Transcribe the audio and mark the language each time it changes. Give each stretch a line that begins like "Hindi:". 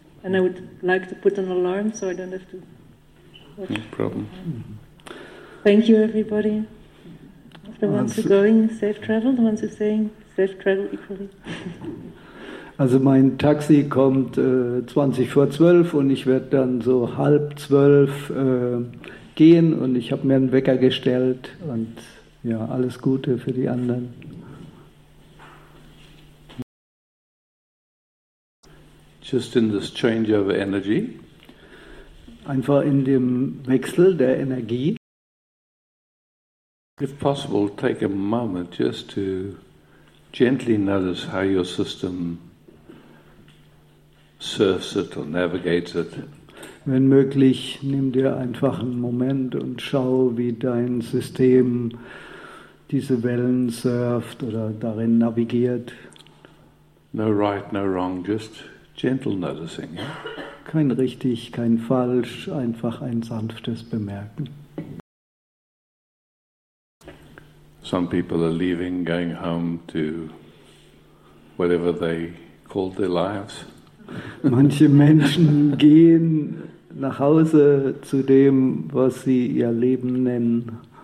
English: And I would like to put an alarm so I don't have to watch. No problem. Thank you, everybody. The ones who are going, safe travel. The ones who are saying, safe travel equally.
German: Also mein Taxi kommt 11:40 und ich werde dann so 11:30 gehen und ich habe mir einen Wecker gestellt und ja, alles Gute für die anderen.
English: Just in this change of energy.
German: Einfach in dem Wechsel der Energie.
English: If possible, take a moment just to gently notice how your system surfs it or navigates it.
German: Wenn möglich, nimm dir einfach einen Moment und schau, wie dein System diese Wellen surft oder darin navigiert.
English: No right, no wrong, just gentle noticing. Yeah?
German: Kein richtig, kein falsch, einfach ein sanftes Bemerken.
English: Some people are leaving, going home to whatever they call their lives.
German: Manche Menschen gehen nach Hause zu dem, was sie ihr Leben nennen.